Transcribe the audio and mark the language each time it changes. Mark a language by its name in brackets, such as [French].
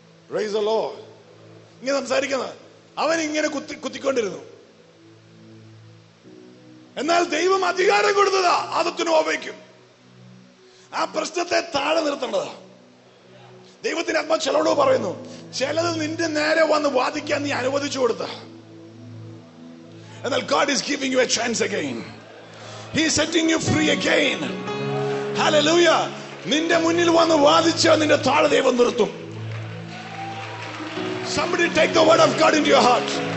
[Malayalam] Praise the Lord. ഇങ്ങനെ സംസാരിക്കുന്ന അവൻ ഇങ്ങനെ കുത്തിക്കൊണ്ടിരുന്നു. എന്നാൽ ദൈവം അധികാരം കൊടുത്തതാ ആദത്തിനും അവയ്ക്കും ആ പ്രശ്നത്തെ താഴെ നിർത്തേണ്ടതാ. ദൈവത്തിന്റെ ആത്മാ ചിലോട് പറയുന്നു, ചിലത് നിന്റെ നേരെ വന്ന് വാദിക്കാൻ നീ അനുവദിച്ചു കൊടുത്ത. എന്നാൽ [English] God is giving you a chance again. He is setting you free again. Hallelujah. [Malayalam] നിന്റെ മുന്നിൽ വന്ന് വാദിച്ച നിന്റെ താഴെ ദൈവം നിർത്തും. [English] Somebody take the word of God into your heart.